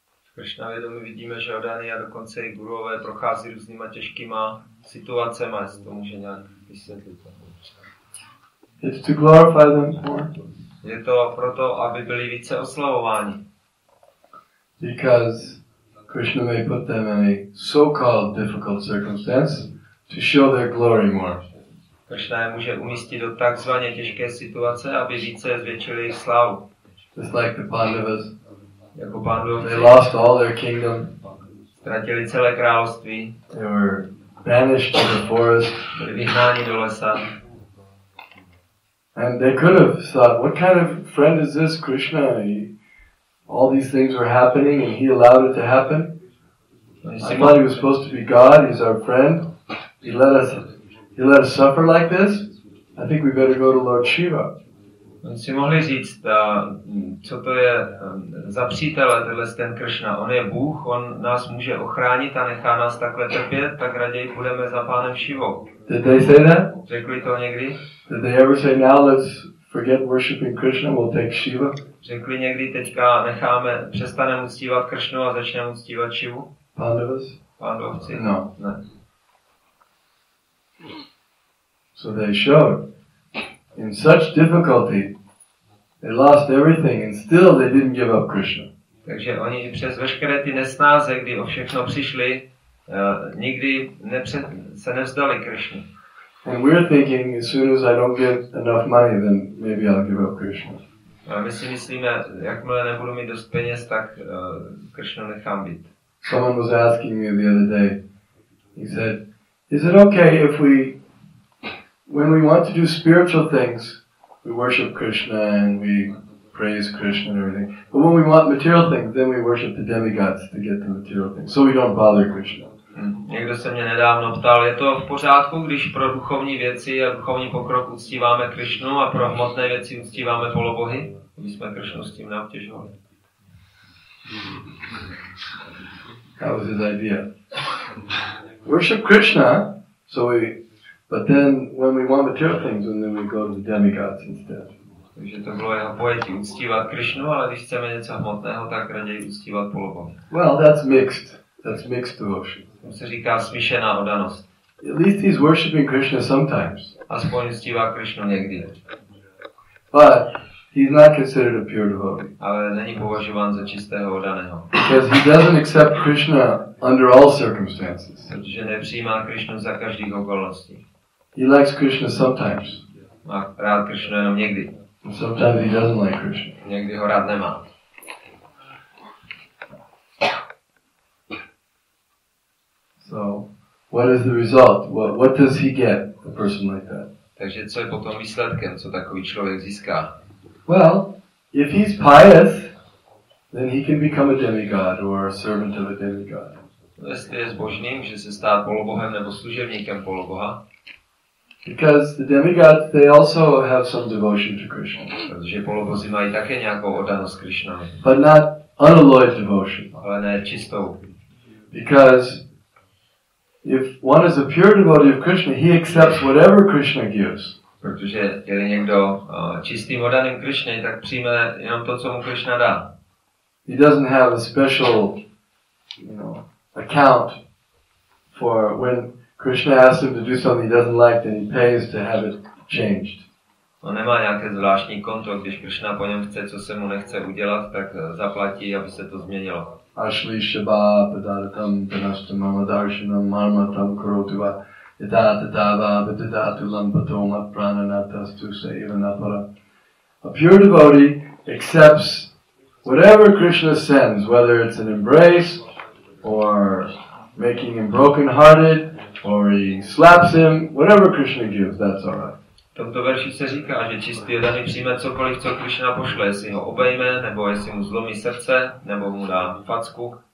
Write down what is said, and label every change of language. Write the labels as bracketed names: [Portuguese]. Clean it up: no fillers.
[Czech] V Krishna vědomí vidíme, že Adani a dokonce i guruové prochází různýma těžkýma situacema, jestli to může nějak vysvětlit. [English] It's to glorify them more. [Czech] Je to proto, aby byli více oslavováni. [English] Because Krishna may put them in a so-called difficult circumstance to show their glory more. [Czech] Krishna je může umístit do takzvaně těžké situace, aby více zvětšili jejich slavu. [English] Just like the Pandavas. [Czech] Jako Pandavas. [English] They lost all their kingdom. [Czech] Ztratili celé království. [English] They were banished to the forest. [Czech] Byli vyhnáni do lesa. [English] And they could have thought, what kind of friend is this Krishna? All these things were happening and he allowed it to happen. I thought he was supposed to be God, he's our friend. He let us suffer like this. I think we better go to Lord Shiva. [Czech] On si mohli říct, co to je za přítel, tenhle ten Krishna. On je Bůh, on nás může ochránit a nechá nás takhle trpět, tak raději půjdeme za pánem Šivou. [English] Did they say that? [Czech] Řekli to někdy? [English] Did they ever say, now let's forget worshiping Krishna, we'll take Shiva? [Czech] Řekli někdy, teďka necháme, přestaneme uctívat Krishnu a začneme uctívat Šivu? [English] Pandavas? [Czech] Pandavci? [English] No. [Czech] Ne. [English] So they showed. In such difficulty, they lost everything, and still they didn't give up Krishna. [Czech] Takže oni přes veškeré ty nesnáze, kdy o všechno přišli, nikdy se nevzdali Krishna. [English] And we're thinking, as soon as I don't get enough money, then maybe I'll give up Krishna. [Czech] A my si myslíme, jakmile nebudu mít dost peněz, tak Krishna nechám být. [English] Someone was asking me the other day. He said, "Is it okay if we?" When we want to do spiritual things, we worship Krishna and we praise Krishna and everything. But when we want material things, then we worship the demigods to get the material things. So we don't bother Krishna. [Czech] Někdo se mě nedávno ptal, je to v pořádku, když pro duchovní věci a duchovní pokrok uctíváme Krishnu a pro hmotné věci uctíváme polobohy? My jsme Krishnu s tím neobtěžovali. [English] That was his idea. Worship Krishna, so we... But then, when we want material things, then we go to the demigods instead. [Czech] Takže to bylo jeho pojetí uctívat Krishnu, ale když chceme něco hmotného, tak raději uctívat polobohy. [English] Well, that's mixed. That's mixed devotion. [Czech] To se říká smíšená oddanost. [English] At least he's worshiping Krishna sometimes. [Czech] Aspoň uctívá Krishnu někdy. [English] But he's not considered a pure devotee. [Czech] Ale není považován za čistého oddaného. [English] Because he doesn't accept Krishna under all circumstances. [Czech] Protože nepřijímá Krishnu za každých okolností. [English] He likes Krishna sometimes. [Czech] Má rád Krishnu jenom někdy. [English] Sometimes he doesn't like Krishna. [Czech] Někdy ho rád nemá. [English] So, what is the result? What does he get, a person like that? [Czech] Takže co je potom výsledkem, co takový člověk získá? [English] Well, if he's pious, then he can become a demigod or a servant of a demigod. [Czech] Jestli je zbožný, může se stát polobohem nebo služebníkem poloboha. [English] Because the demigods, they also have some devotion to Krishna. [Czech] Protože polobozy mají také nějakou oddanost Krishnovi. [English] But not unalloyed devotion. [Czech] Ale ne čistou. [English] Because if one is a pure devotee of Krishna, he accepts whatever Krishna gives. [Czech] Protože je-li někdo čistým oddaným Krishna, tak přijme jenom to, co mu Krishna dá. [English] He doesn't have a special, you know, account for when Krishna asks him to do something he doesn't like, then he pays to have it changed. [Czech] On nemá nějaké zvláštní konto, když Krishna po něm chce, co se mu nechce udělat, tak zaplatí, aby se to změnilo. [Sanskrit] Ashli shabha padaratam panashtamama darshanam marmatam karotuva yadatadava vidadatulam patoma prananatas tusa ivanapara. [English] A pure devotee accepts whatever Krishna sends, whether it's an embrace or making him broken-hearted, or he slaps him, whatever Krishna gives, that's all right. [Czech] V tomto verši se říká, že čistý oddaný přijme cokoliv, co Krishna pošle, jestli ho obejme, nebo jestli mu zlomí srdce, nebo mu dá facku.